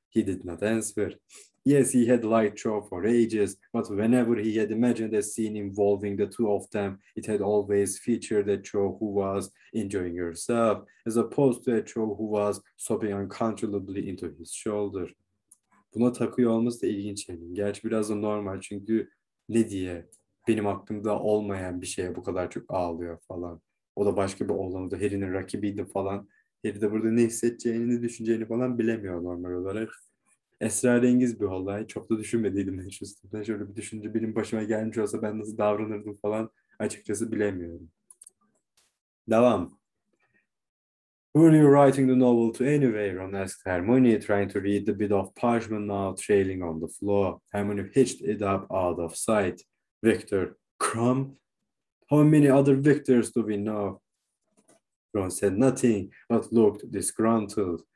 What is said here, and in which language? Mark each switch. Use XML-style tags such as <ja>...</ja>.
<en>He did not answer. Yes, he had liked Cho for ages, but whenever he had imagined a scene involving the two of them, it had always featured a Cho who was enjoying herself, as opposed to a Cho who was sobbing uncontrollably into his shoulder.</en> <tr>Buna takıyor olması da ilginç. Gerçi biraz da normal çünkü ne diye benim hakkımda olmayan bir şeye bu kadar çok ağlıyor falan. O da başka bir oğlanı, Harry'nin rakibiydi falan. Harry de burada ne hissedeceğini, ne düşüneceğini falan bilemiyor normal olarak. Esrarengiz bir olay. Çok da düşünmediydim hiç üstünde. Şöyle bir düşünce benim başıma gelmiş olsa ben nasıl davranırdım falan açıkçası bilemiyorum. Devam.</tr> <en>Who are you writing the novel to anyway? Ron asked Hermione, trying to read the bit of parchment now trailing on the floor. Hermione hitched it up out of sight. Victor Crumb? How many other Victors do we know? Ron said nothing, but looked disgruntled.</en>